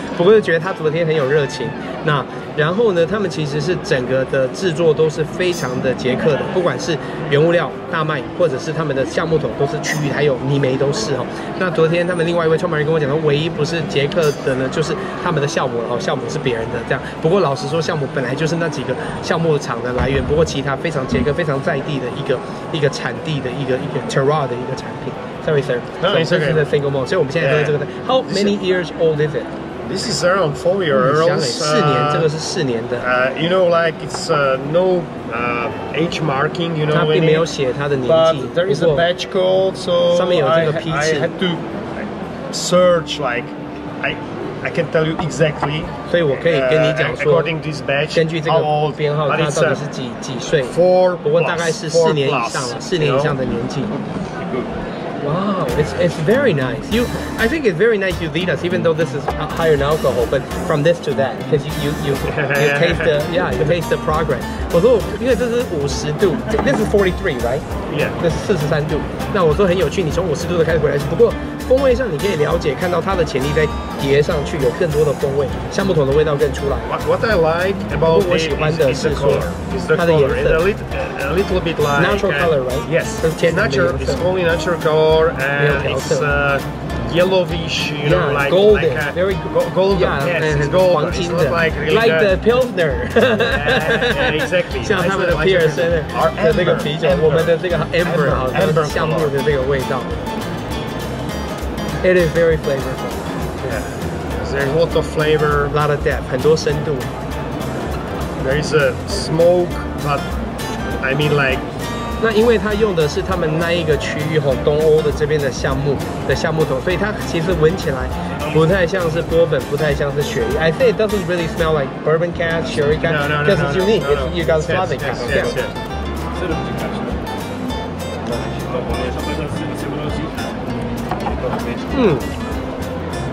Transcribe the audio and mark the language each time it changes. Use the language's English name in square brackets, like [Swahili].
[Chinese] 不过就觉得他昨天很有热情。那然后呢，他们其实是整个的制作都是非常的捷克的，不管是原物料大麦，或者是他们的橡木桶，都是区域还有泥煤都是哦。那昨天他们另外一位创办人跟我讲说，唯一不是捷克的呢，就是他们的酵母哦，酵母是别人的这样。不过老实说，酵母本来就是那几个橡木厂的来源，不过其他非常捷克、非常在地的一个产地的一个 terroir 的一个产品。 [English] Sorry, sir. No, it's okay. This is a single malt. So we're now drinking this. How many years old is it? This is around 4 years. 4 years. This is 4 years. You know, like it's no age marking. You know, it doesn't show its age. But there is a batch code, so I had to search. Like, I can tell you exactly. So I can tell you according to this batch, how old it is. But it's 4+. 4+. Wow, it's very nice. I think it's very nice you lead us, even though this is higher in alcohol, but from this to that, because you taste the progress. [Chinese] 我说，因为这是五十度 ， [English] this is 43, right? Yeah. [Chinese] 这是43度。那我说很有趣，你从五十度的开始回来，不过风味上你可以了解，看到它的潜力在叠上去，有更多的风味，橡木桶的味道更出来。 [English] What I like about it is the color. [Chinese] 它的颜色。 [English] A little bit like natural color, right? Yes. It's only natural color, and it's yellowish, you know, like golden, like very golden. Yeah, yes, and it's golden. And it's not like really like the Pilsner. Yeah, exactly. Like their Pilsner, the [Chinese] 那个啤酒，我们的这个 amber 哈，这个橡木的这个味道。 [English] It is very flavorful. Yeah, there's a lot of flavor, a lot of depth, [Chinese] 很多深度。 [English] There is a smoke, but I mean like. [Chinese] 那因为它用的是他们那一个区域吼东欧的这边的橡木桶，所以它其实闻起来不太像是波本，不太像是雪莉。 [English] I think it doesn't really smell like bourbon cask, sherry cask, because it's unique. No, no. It's, you got Slavic cask. Yes. [Chinese] 是的，不讲了。